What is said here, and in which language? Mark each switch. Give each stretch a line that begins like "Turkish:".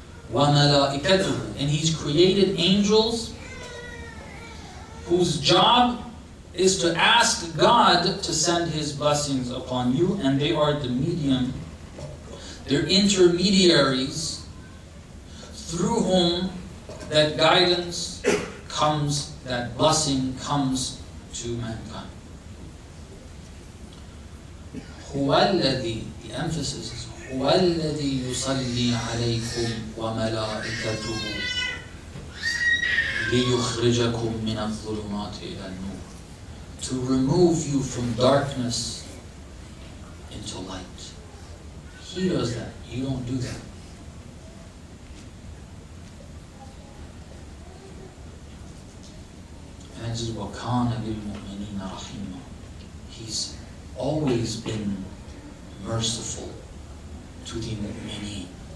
English: Wa malaikatuhu, and he's created angels whose job is to ask God to send his blessings upon you, and they are the medium, they're intermediaries through whom that guidance comes, that blessing comes to mankind.
Arabic: هُوَ الَّذِي,
English: the emphasis is
Arabic: هُوَ الَّذِي يُصَلِّي عَلَيْكُمْ وَمَلَائِكَتُهُ لِيُخْرِجَكُمْ مِنَ الظُّلُمَاتِ إِلَى النُّورِ,
English: to remove you from darkness into light. He does that, you don't do that. And this is
Arabic: وَكَانَ لِلْمُؤْمِنِينَ رَحِيمًا,
English: he's always been merciful to the mu'mini.